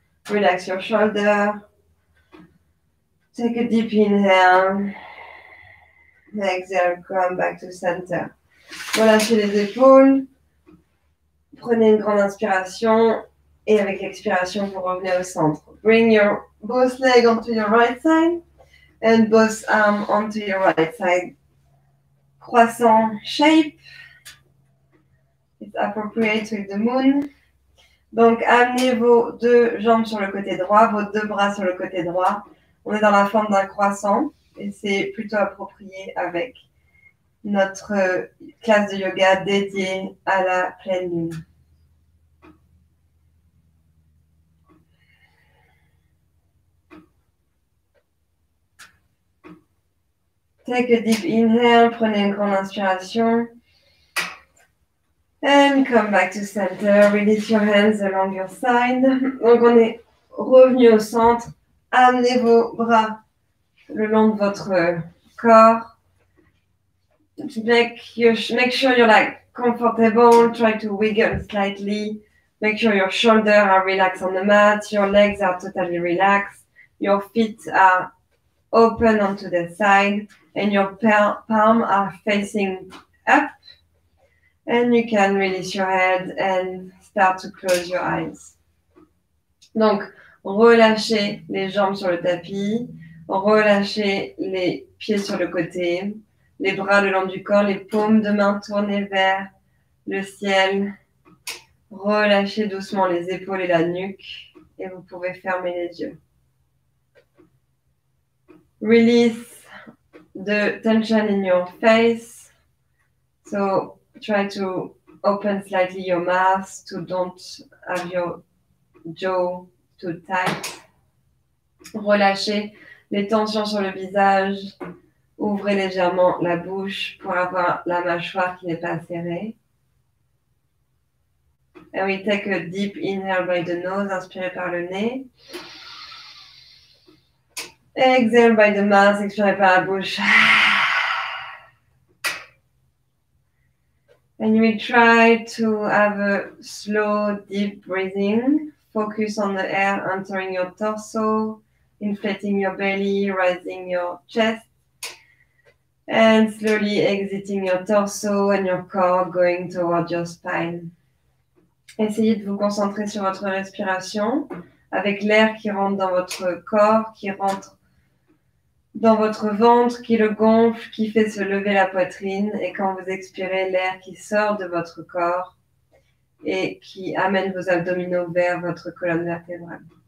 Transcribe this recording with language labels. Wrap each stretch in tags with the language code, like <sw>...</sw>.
<en>Relax your shoulder. Take a deep inhale, exhale, come back to center.</en> <fr>Relâchez les épaules, prenez une grande inspiration et avec l'expiration, vous revenez au centre.</fr> <en>Bring your both legs onto your right side and both arms onto your right side. Croissant shape, it's appropriate with the moon.</en> <fr>Donc, amenez vos deux jambes sur le côté droit, vos deux bras sur le côté droit. On est dans la forme d'un croissant et c'est plutôt approprié avec notre classe de yoga dédiée à la pleine lune.</fr> <en>Take a deep inhale,</en> <fr>prenez une grande inspiration.</fr> <en>And come back to center, release your hands along your side.</en> <fr>Donc on est revenu au centre, amenez vos bras le long de votre corps.</fr> <en>Make sure you're like comfortable, try to wiggle slightly. Make sure your shoulders are relaxed on the mat, your legs are totally relaxed, your feet are open onto the side, and your palms are facing up. And you can release your head and start to close your eyes.</en> <fr>Donc, relâchez les jambes sur le tapis, relâchez les pieds sur le côté, les bras le long du corps, les paumes de main tournées vers le ciel. Relâchez doucement les épaules et la nuque et vous pouvez fermer les yeux.</fr> <en>Release the tension in your face. So try to open slightly your mouth to don't have your jaw too tight.</en> <fr>Relâchez les tensions sur le visage. Ouvrez légèrement la bouche pour avoir la mâchoire qui n'est pas serrée.</fr> <en>And we take a deep inhale by the nose,</en> <fr>inspirez par le nez.</fr> <en>Exhale by the mouth,</en> <fr>expirez par la bouche.</fr> <en>And you will try to have a slow, deep breathing. Focus on the air entering your torso, inflating your belly, rising your chest. And slowly exiting your torso and your core going towards your spine.</en> <fr>Essayez de vous concentrer sur votre respiration avec l'air qui rentre dans votre corps, qui rentre dans votre ventre, qui le gonfle, qui fait se lever la poitrine et quand vous expirez, l'air qui sort de votre corps et qui amène vos abdominaux vers votre colonne vertébrale.</fr>